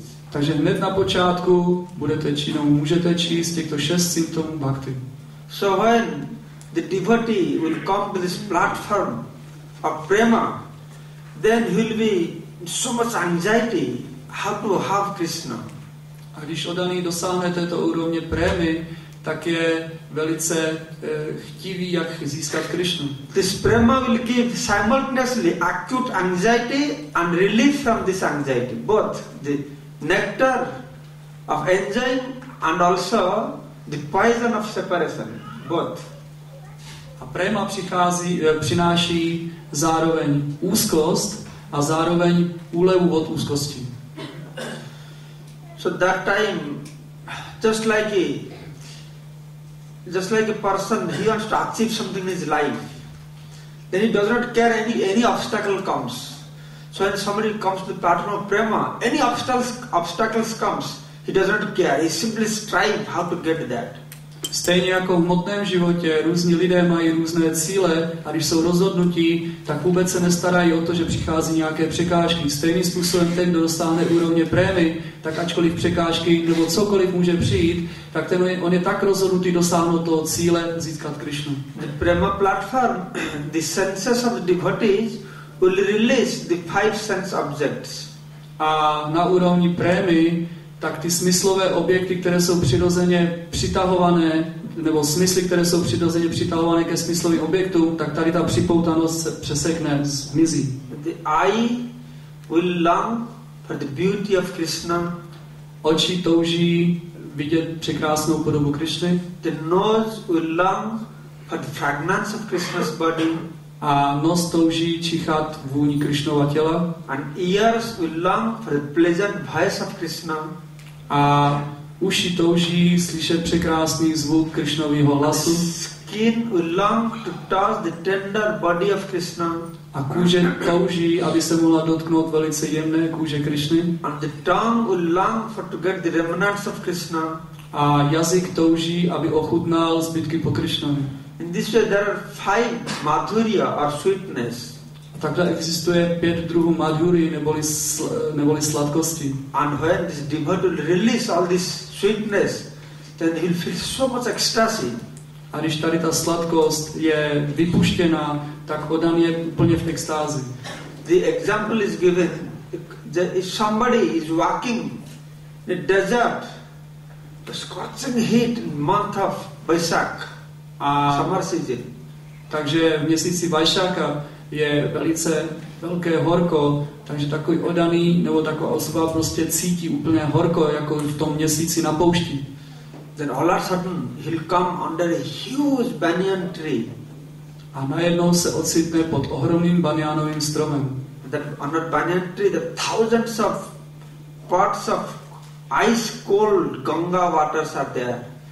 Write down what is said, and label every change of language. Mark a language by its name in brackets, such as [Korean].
[Czech] Takže hned na počátku můžete číst těchto šest symptomů bhakti. [English] So when the devotee will come to this platform of prema, then he will be so much anxiety how to have Krishna. [Czech] A když oddaný dosáhne této úrovně prémy, tak je velice chtivý, jak získat Krishnu. [English] This prema will give simultaneously acute anxiety and relief from this anxiety. Both the nectar of enjoying and also the poison of separation. Both. [Czech] A prema přináší zároveň úzkost a zároveň úlevu od úzkosti. [English] So that time, just like a person, he wants to achieve something in his life. Then he does not care any obstacle comes. So when somebody comes to the platform of prema, any obstacles comes, he does not care. He simply strive how to get that. [Czech] Stejně jako v hmotném životě, různí lidé mají různé cíle a když jsou rozhodnutí, tak vůbec se nestarají o to, že přichází nějaké překážky. Stejným způsobem ten, kdo dostáhne úrovně prémy, tak ačkoliv překážky nebo cokoliv může přijít, tak ten on je tak rozhodnutý dosáhnout toho cíle získat Krishnu. [English] The prema platform, the senses of the devotees will release the five sense objects. [Czech] A na úrovni prémy, tak ty smyslové objekty, které jsou přirozeně přitahované, nebo smysly, které jsou přirozeně přitahované ke smyslovým objektům, tak tady ta připoutanost se přesekne, zmizí. [English] The eye will long for the beauty of Krishna. [Czech] Oči touží vidět překrásnou podobu Krishny. [English] The nose will long for the fragrance of Krishna's body. [Czech] A nos touží čichat vůni Krišnova těla. [English] And ears will long for the pleasant voice of Krishna. [Czech] A uši touží slyšet překrásný zvuk Krišnovýho hlasu. [English] Skin will long to touch the tender body of Krishna. [Czech] A kůže touží, aby se mohla dotknout velice jemné kůže Krišny. [English] And the tongue will long for to get the remnants of Krishna. [Czech] A jazyk touží, aby ochutnal zbytky po Krišnovi. [English] In this way there are five madhurya or sweetness. [Czech] Takže existuje pět druhů madhury neboli sladkosti. [English] And when this devotee release all this sweetness, then he will feel so much ecstasy. [Czech] A když tady ta sladkost je vypuštěna, tak odan je úplně v extázi. [English] The example is given that if somebody is walking in a desert, the scorching heat in month of Vaisakh. A summer season. [Czech] Takže v měsíci Vaisakha je velice velké horko, takže takový odaný nebo taková osoba prostě cítí úplně horko jako v tom měsíci na poušti. [English] Then all of a sudden he'll come under a huge banyan tree. [Czech] A najednou se ocitne pod ohromným banyanovým stromem. [English] That under banyan tree the thousands of pots of ice cold Ganga waters are there.